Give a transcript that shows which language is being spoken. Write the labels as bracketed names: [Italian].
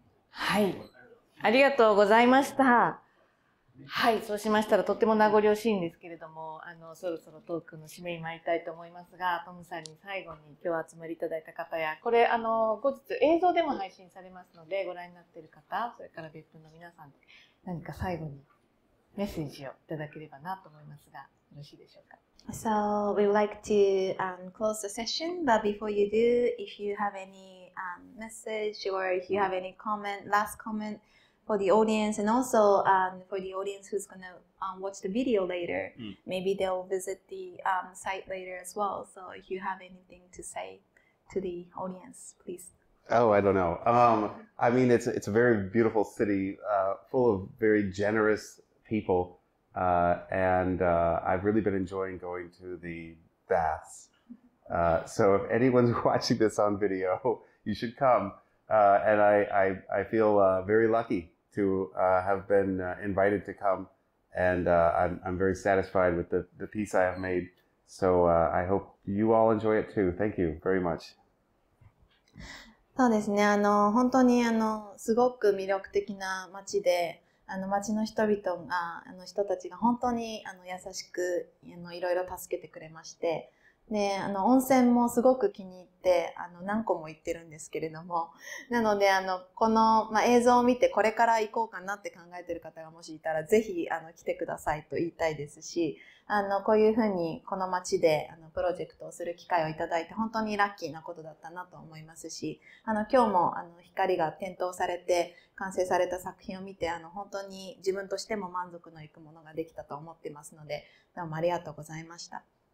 [Japanese] はい、ありがとうございました。はい、そうしましたらとっても名残惜しいんですけれども、あのそろそろトークの締めに参りたいと思いますが、トムさんに最後に今日集まりいただいた方や、これあの後日映像でも配信されますのでご覧になっている方、それから別府の皆さん、何か最後にメッセージをいただければなと思いますが、よろしいでしょうか。 [English] So we would like to close the session, but before you do, if you have any message or if you have any comment, last commentfor the audience, and also for the audience who's going to watch the video later, maybe they'll visit the site later as well. So if you have anything to say to the audience, please. Oh, I don't know. I mean, it's a very beautiful city, full of very generous people. And I've really been enjoying going to the baths. So if anyone's watching this on video, you should come. And I feel very lucky. To have been invited to come, and I'm very satisfied with the piece I have made. So I hope you all enjoy it too. Thank you very much. [Japanese] そうですね。あの本当にあのすごく魅力的な町で、あの町の人々が、あの人たちが本当にあの優しく、あのいろいろ助けてくれまして。で、あの温泉もすごく気に入って、あの何個も行ってるんですけれども、なのであのこの、まあ、映像を見てこれから行こうかなって考えてる方がもしいたら、ぜひあの来てくださいと言いたいですし、あのこういうふうにこの街であのプロジェクトをする機会をいただいて本当にラッキーなことだったなと思いますし、あの今日もあの光が点灯されて完成された作品を見て、あの本当に自分としても満足のいくものができたと思ってますので、どうもありがとうございました。